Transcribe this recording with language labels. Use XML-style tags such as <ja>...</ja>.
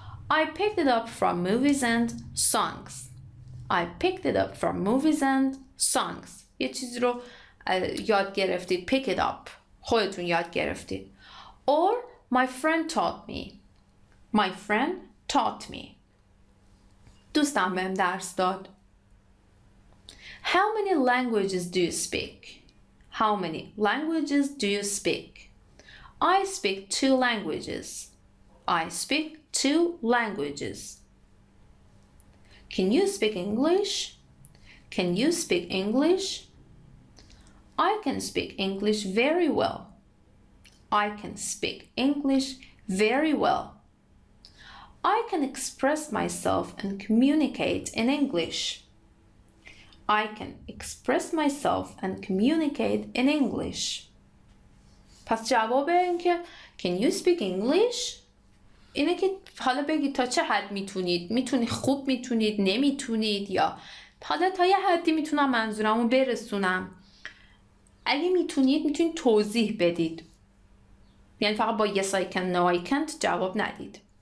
<en>I picked it up from movies and songs. I picked it up from movies and songs.</en> <fa>یه چیزی رو یاد گرفتید،</fa> <en>pick it up،</en> <fa>خودتون یاد گرفتید.</fa> <en>Or my friend taught me. My friend taught me.</en> <fa>دوستم بهم درس داد.</fa> <en>How many languages do you speak? How many languages do you speak? I speak two languages. I speak two languages. Can you speak English? Can you speak English? I can speak English very well. I can speak English very well. I can express myself and communicate in English. I can express myself and communicate in English.</en> <fa>پس جواب اینکه</fa> <en>can you speak English؟</en> <fa>اینه که حالا بگید تا چه حد میتونید؟ میتونید خوب، میتونید نمیتونید، یا حالا تا یه حدی میتونم منظورمو برسونم. اگه میتونید میتونید توضیح بدید. یعنی فقط با</fa> <en>yes I can no I can't</en> <fa>جواب ندید.</fa>